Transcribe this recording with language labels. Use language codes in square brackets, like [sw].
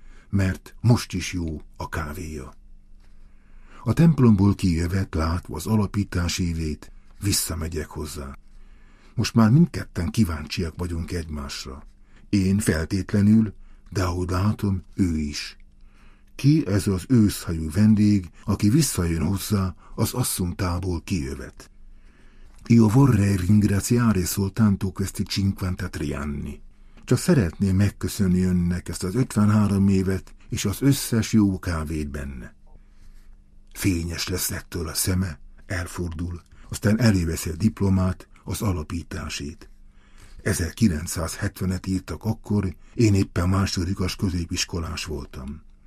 [hu] Mert most is jó a kávéja. A templomból kijövet, látva az alapítás évét, visszamegyek hozzá. Most már mindketten kíváncsiak vagyunk egymásra. Én feltétlenül, de ahogy látom, ő is. Ki ez az őszhajú vendég, aki visszajön hozzá az asszunktából kijövet? [it] Io vorrei ringraziare soltanto questi 53 anni. [hu] Csak szeretném megköszönni önnek ezt az 53 évet és az összes jó kávét benne. Fényes lesz ettől a szeme, elfordul, aztán elévesz a diplomát, az alapításét. 1970-et írtak akkor, én éppen másodikas középiskolás voltam.